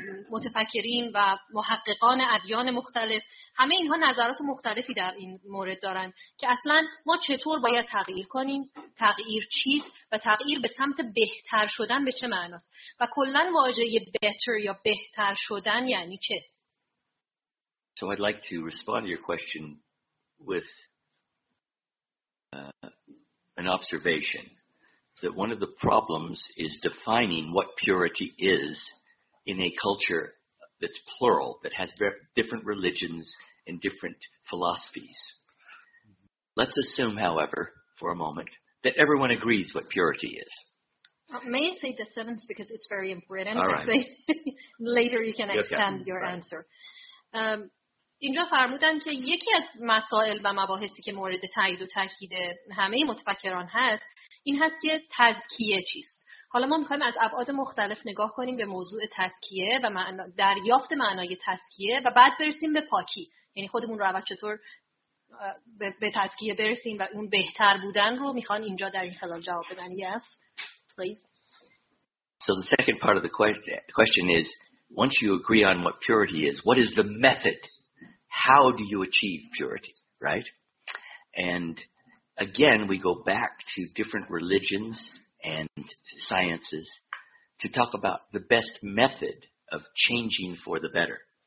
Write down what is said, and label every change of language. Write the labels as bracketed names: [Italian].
[Persian] متفکرین و محققان ادیان مختلف، همه اینها نظرات مختلفی در این مورد دارن که اصلا ما چطور باید تغییر کنیم، تغییر چیست و تغییر به سمت بهتر شدن به چه معناست و کلن واژه better یا بهتر شدن یعنی چه؟ [English] So I'd like to respond to your question with an observation that one of the problems is defining what purity is in a culture that's plural, that has different religions and different philosophies. Let's assume, however, for a moment, that everyone agrees what purity is. May I say the sentence because it's very important? All right. Later you can expand your answer. [Persian] اینجا فرمودن که یکی از مسائل و مباحثی که مورد تایید و تأکید همه متفکران هست این هست که تزکیه چیست. حالا ما می‌خوایم از ابعاد مختلف نگاه کنیم به موضوع تزکیه و دریافت معنای تزکیه و بعد برسیم به پاکی، یعنی خودمون رو اول چطور به تزکیه برسیم و اون بهتر بودن رو می‌خوان اینجا در این خلال جواب بدن. [English] Yes, please. So the second part of the question is, once you agree on what purity is, what is the method? How do you achieve purity, right? And again, we go back to different religions and sciences to talk about the best method of changing for the better.